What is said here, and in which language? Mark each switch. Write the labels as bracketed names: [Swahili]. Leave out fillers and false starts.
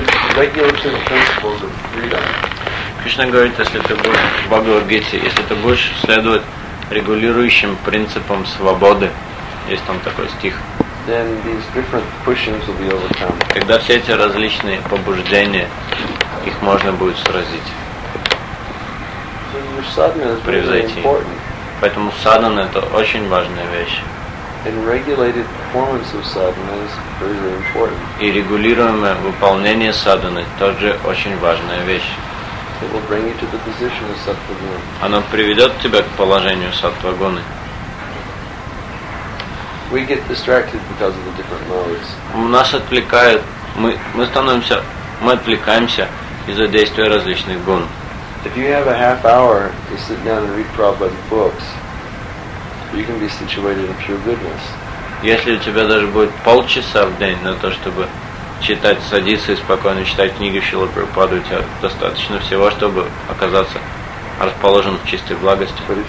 [Russian] Кришна говорит, если ты будешь следовать регулирующим принципам свободы, есть там такой стих, [English] then these different pushings will be overcome. [Russian] Тогда все эти различные побуждения, их можно будет сразить, превзойти. Поэтому садхана – это очень важная вещь. [English] And regulated performance of sadhana is very, very important. [Russian] И регулируемое выполнение садханы тоже очень важная вещь. [English] It will bring you to the position of sattvaguna. [Russian] Оно приведет тебя к положению саттвагуны. [English] We get distracted because of the different modes. [Russian] Нас отвлекает, мы отвлекаемся из-за действия различных гун. [English] If you have a half hour to sit down and read Prabhupada's books, you can be situated in pure goodness. [Russian] Если у тебя даже будет полчаса в день на то, чтобы читать, садиться и спокойно читать книги Шрилы Прабхупады, у тебя достаточно всего, чтобы оказаться расположен в чистой благости.